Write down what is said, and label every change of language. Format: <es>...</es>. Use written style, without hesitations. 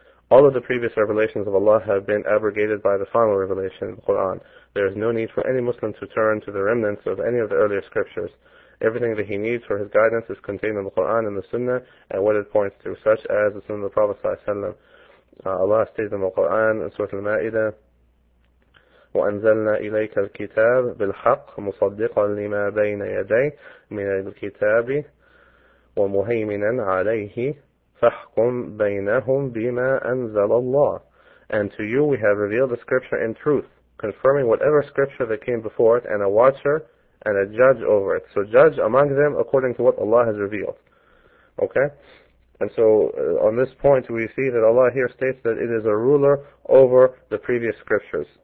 <en>All of the previous revelations of Allah have been abrogated by the final revelation of the Quran. There is no need for any Muslim to turn to the remnants of any of the earlier scriptures. Everything that he needs for his guidance is contained in the Quran and the Sunnah and what it points to, such as the Sunnah of the Prophet ﷺ. Allah states in the Quran, in Surah Al-Ma'idah,</en> <ar>وَأَنزَلْنَا إِلَيْكَ الْكِتَابِ بِالْحَقِّ مُصَدِّقًا لِمَا بَيْنَ يَدَيْهِ مِنَ الْكِتَابِ وَمُهَيْمِنًا عَلَيْهِ فَحْكُمْ بَيْنَهُمْ بِمَا أَنزَلَ اللَّهُ.</ar> <en>And to you we have revealed the scripture in truth, confirming whatever scripture that came before it, and a watcher and a judge over it. So judge among them according to what Allah has revealed. Okay? And so on this point we see that Allah here states that it is a ruler over the previous scriptures.</en>